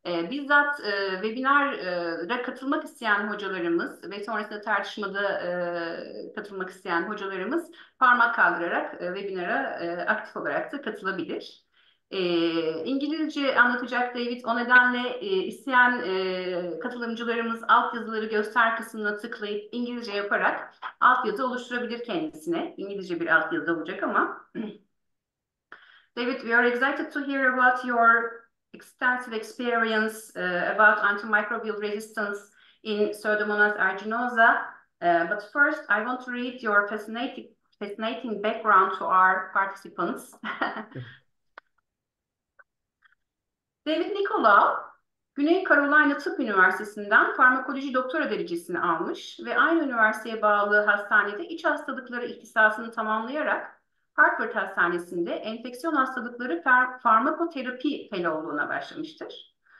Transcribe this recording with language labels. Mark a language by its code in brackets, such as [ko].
[tr] Bizzat webinara katılmak isteyen hocalarımız ve sonrasında tartışmada katılmak isteyen hocalarımız parmak kaldırarak webinara aktif olarak da katılabilir. İngilizce anlatacak David. O nedenle isteyen katılımcılarımız altyazıları göster kısmına tıklayıp İngilizce yaparak altyazı oluşturabilir kendisine. İngilizce bir altyazı olacak ama. [en] David, we are excited to hear about your extensive experience about antimicrobial resistance in Pseudomonas aeruginosa. But first, I want to read your fascinating background to our participants. [tr] David Nicolau, Güney Carolina Tıp Üniversitesi'nden farmakoloji doktora derecesini almış ve aynı üniversiteye bağlı hastanede iç hastalıkları ihtisasını tamamlayarak Harvard Hastanesi'nde enfeksiyon hastalıkları farmakoterapi fellowluğuna başlamıştır.